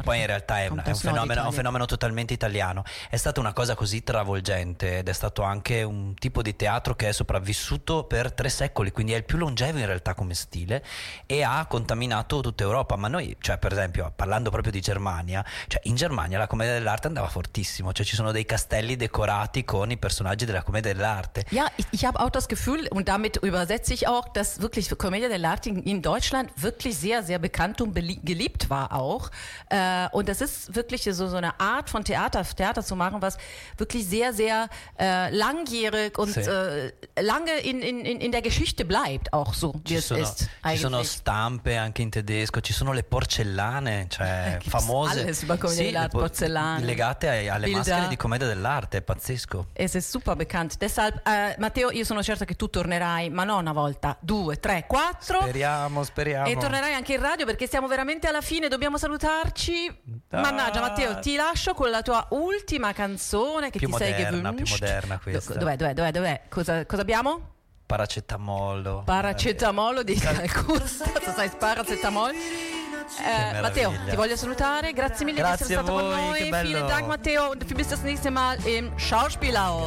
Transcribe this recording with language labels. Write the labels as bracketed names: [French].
[Italian] Poi in realtà è un fenomeno totalmente italiano. È stata una cosa così travolgente ed è stato anche un tipo di teatro che è sopravvissuto per 3 secoli, quindi è il più longevo in realtà come stile, e ha contaminato tutta Europa. Ma noi, cioè, per esempio, parlando proprio di Germania, cioè in Germania la commedia dell'arte andava fortissimo, cioè ci sono dei castelli decorati con i personaggi della commedia dell'arte. [German] Ja, ich habe auch das Gefühl, und damit übersetze ich auch, dass wirklich Commedia dell'arte in Deutschland wirklich sehr, sehr bekannt und geliebt war auch. Und das ist wirklich so eine Art von Theater zu machen, was wirklich sehr, sehr langjährig und lange in der Geschichte bleibt, auch so, wie [Italian] ci sono, [German] es ist. Eigentlich. [Italian] Ci sono stampe anche in tedesco, ci sono le porcellane, cioè famose. [German] Alles über Commedia dell'arte, porcellane. [Italian] Legate alle Bilder. Maschere di Commedia dell'arte, è pazzesco. [German] Es ist super bekannt. [Italian] Matteo, io sono certa che tu tornerai, ma non una volta, 2, 3, 4. Speriamo. E tornerai anche in radio, perché siamo veramente alla fine, dobbiamo salutarci. Ah. Mannaggia, Matteo, ti lascio con la tua ultima canzone che più ti moderna, [German] sei gewünscht. [Italian] Più moderna questa. Dov'è? Cosa abbiamo? Paracetamolo. Paracetamolo di Calcutta. Sai, paracetamol. Matteo, ti voglio salutare, grazie mille, grazie di essere stato voi, con noi. Che bello. [German] Vielen Dank, Matteo, und bis das nächste Mal im Schauspielhaus.